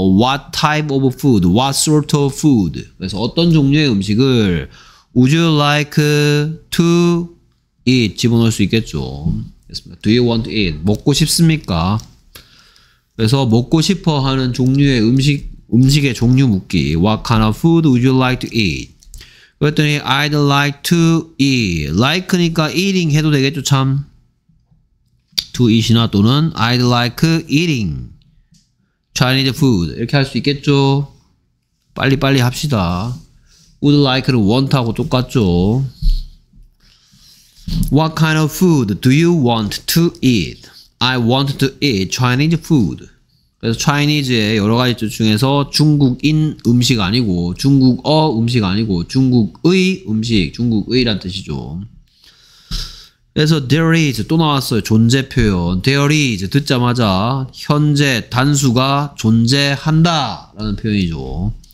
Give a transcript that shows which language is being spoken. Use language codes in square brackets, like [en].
[en] What type of food? What sort of food? [ko] 그래서 어떤 종류의 음식을 [en] Would you like to eat? [ko] 집어넣을 수 있겠죠. [en] Do you want to eat? [ko] 먹고 싶습니까? 그래서 먹고 싶어 하는 종류의 음식의 종류 묻기. [en] What kind of food would you like to eat? [ko] 그랬더니 [en] I'd like to eat. [ko] Like니까 eating 해도 되겠죠, 참. [en] To eat이나 [ko] 또는 [en] I'd like eating Chinese food. [ko] 이렇게 할 수 있겠죠. 빨리빨리 합시다. Would like를 want하고 똑같죠. [en] What kind of food do you want to eat? I want to eat Chinese food. [ko] 그래서 Chinese의 여러 가지 뜻 중에서 중국인 음식 아니고 중국어 음식 아니고 중국의 음식, 중국의란 뜻이죠. 그래서 there is 또 나왔어요. 존재 표현. [en] There is [ko] 듣자마자 현재 단수가 존재한다 라는 표현이죠.